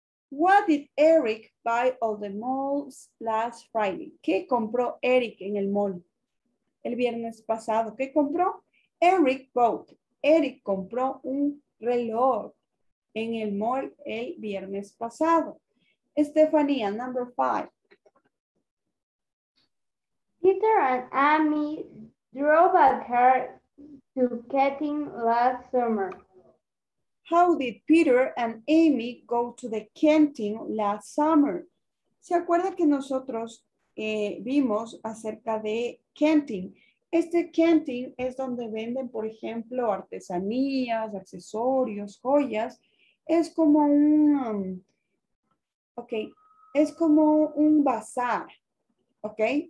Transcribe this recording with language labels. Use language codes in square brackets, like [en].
[en] What did Eric buy at the malls last Friday? [es] ¿Qué compró Eric en el mall el viernes pasado? ¿Qué compró? [en] Eric bought. [es] Eric compró un reloj en el mall el viernes pasado. [en] Estefanía, number five. Peter and Amy drove a car to camping last summer. How did Peter and Amy go to the camping last summer? [es] ¿Se acuerda que nosotros vimos acerca de camping? Este camping es donde venden, por ejemplo, artesanías, accesorios, joyas. Es como un, es como un bazar, ¿ok?